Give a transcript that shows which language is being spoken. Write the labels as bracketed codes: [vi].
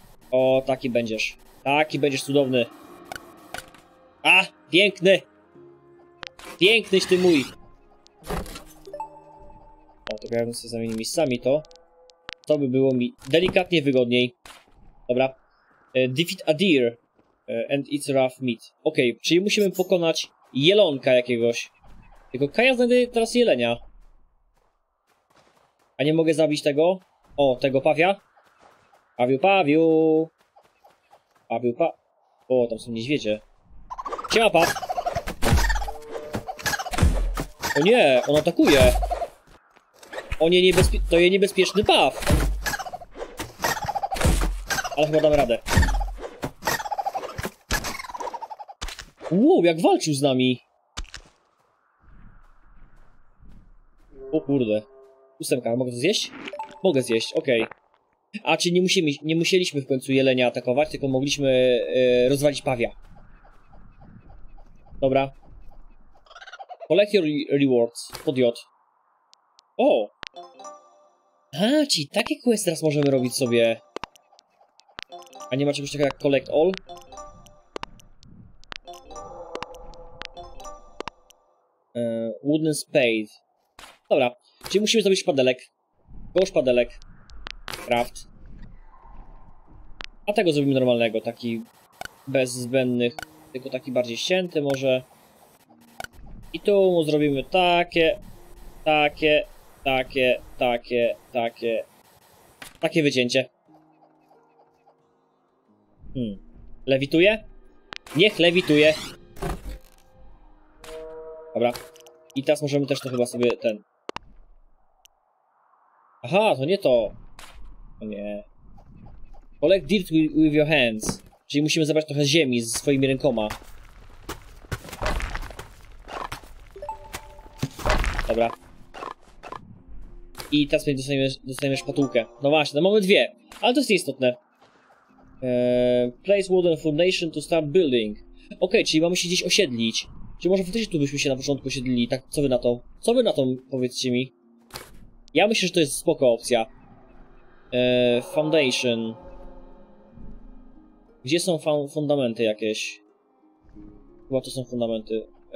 [pl] O, taki będziesz. Taki będziesz cudowny. A, piękny. Piękny ty mój. O, to ja bym sobie zamienił miejscami to. To by było mi delikatnie wygodniej. Dobra. [en] Defeat a deer and its rough meat. [pl] Okej, okay, czyli musimy pokonać jelonka jakiegoś. Tylko Kaja znajduje teraz jelenia. A nie mogę zabić tego? O, tego pawia? Pawiu, pawiu! Pawiu, pa... O, tam są niedźwiedzie. Siema, pa! O nie, on atakuje! O nie, to jest niebezpieczny paw! Ale chyba dam radę. Wow, jak walczył z nami! O kurde. Ósemka, mogę to zjeść? Mogę zjeść, okej. Okay. A czy nie musieliśmy w końcu jelenia atakować, tylko mogliśmy rozwalić pawia. Dobra. [en] Collect your rewards, pod J. O! [pl] A, czyli takie quest teraz możemy robić sobie. A nie ma czegoś takiego jak [en] collect all? Wooden spade. [pl] Dobra, czyli musimy zrobić szpadelek. Go szpadelek. Craft. A tego zrobimy normalnego, taki bez zbędnych, tylko taki bardziej ścięty może. I tu mu zrobimy takie, takie, takie, takie, takie, takie wycięcie. Lewituje? Niech lewituje. Dobra. I teraz możemy też to chyba sobie ten... Aha, to nie to. O nie. [en] Collect dirt with your hands. [pl] Czyli musimy zebrać trochę ziemi ze swoimi rękoma. Dobra. i teraz pewnie dostaniemy szpatułkę. No właśnie, no mamy dwie, ale to jest nieistotne. [en] Place wooden foundation to start building. [pl] Okej, czyli mamy się gdzieś osiedlić. Czy może faktycznie tu byśmy się na początku osiedlili, tak, co wy na to? Co wy na to, powiedzcie mi? Ja myślę, że to jest spoko opcja. Foundation. Gdzie są fundamenty jakieś? Chyba to są fundamenty.